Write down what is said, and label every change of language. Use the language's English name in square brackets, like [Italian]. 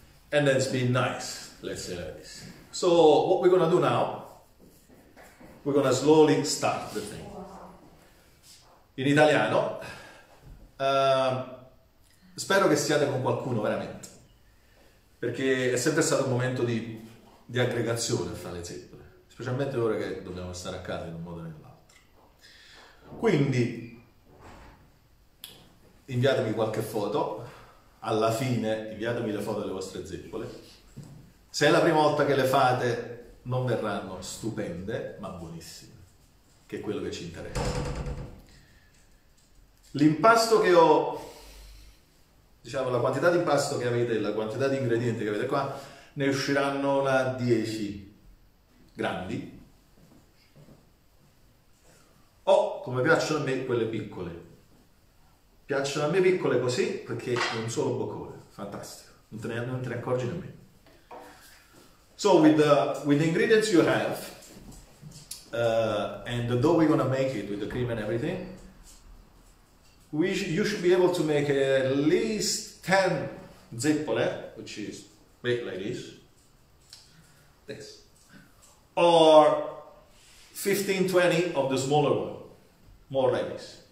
[English] And that's been nice, let's say like this. So what we're gonna do now, we're gonna slowly start the thing. [Italian] In italiano, spero che siate con qualcuno veramente, perché è sempre stato un momento di aggregazione fra le zeppole, specialmente ora che dobbiamo stare a casa in un modo o nell'altro. Quindi inviatemi qualche foto. Alla fine, inviatemi le foto delle vostre zeppole. Se è la prima volta che le fate, non verranno stupende, ma buonissime, che è quello che ci interessa. L'impasto che ho, diciamo, la quantità di impasto che avete, la quantità di ingredienti che avete qua, ne usciranno una 10 grandi. O, come piacciono a me, quelle piccole. Piacciono a me piccole così perché è un solo boccone, fantastico. Non te ne accorgi nemmeno. [English] So, with the ingredients you have, and the dough we're gonna make it with the cream and everything, you should be able to make at least 10 zeppole, which is made like this, or 15, 20 of the smaller one, more like this.